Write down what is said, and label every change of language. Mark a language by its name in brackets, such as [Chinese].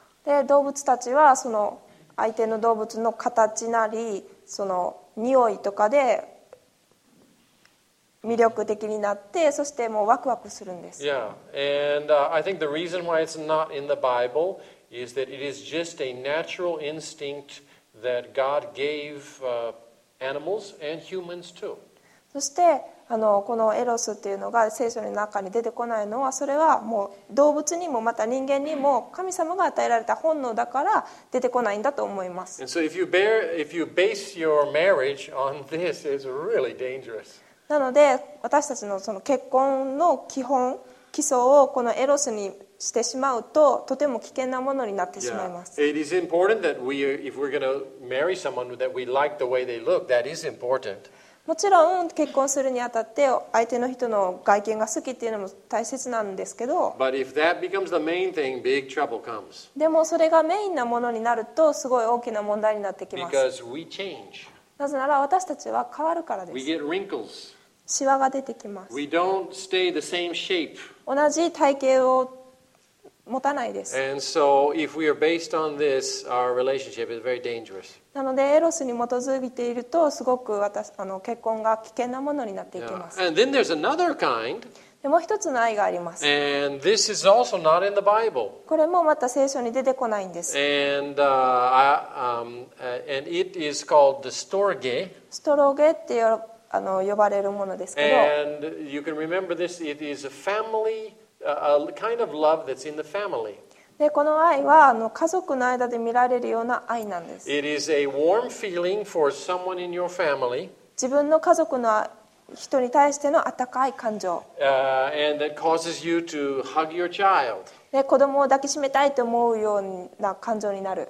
[Japanese] で、動物たちはその相手の動物の形なりその匂いとかで魅力的になって、そしてもうワクワクするんです。 [English] Yeah, and I think the reason why it's not in the Bible is that it is just a natural instinct that God gave animals and humans too. [Japanese] そしてあのこのエロスっていうのが聖書の中に出てこないのはそれはもう動物にもまた人間にも神様が与えられた本能だから出てこないんだと思います。 [English] And so if you base your marriage on this, it's really dangerous. [Japanese] なので私たち の, その結婚の基本基礎をこのエロスにしてしまうととても危険なものになってしまいます。 [English] It is important that we, if we're going to marry someone that we like the way they look, that is important [Japanese] もちろん結婚するにあたって相手の人の外見が好きっていうのも大切なんですけど [English] But if that becomes the main thing, big trouble comes. [Japanese] でもそれがメインなものになるとすごい大きな問題になってきます。 [English] Because we change. [Japanese] なぜなら私たちは変わるからです。 [English] We get wrinkles. [Japanese] シワが出てきます。 [English] We don't stay the same shape. [Japanese] 同じ体型を持たないです。 [English] And so if we are based on this, our relationship is very dangerous. [Japanese] なのでエロスに基づいているとすごく私あの結婚が危険なものになっていきます。 [English] Yeah. And then there's another kind. [Japanese] でもう一つの愛があります。 [English] And this is also not in the Bible. [Japanese] これもまた聖書に出てこないんです。 [English] And, and it is called the storge. [Japanese] ストロゲってあの呼ばれるものですけど。 [English] And you can remember this. It is a family, a kind of love that's in the family. [Japanese] でこの愛はあの家族の間で見られるような愛なんです。 [English] It is a warm feeling for someone in your family. [Japanese] 自分の家族の人に対しての温かい感情。 [English] And that causes you to hug your child. [Japanese] で子供を抱きしめたいと思うような感情になる。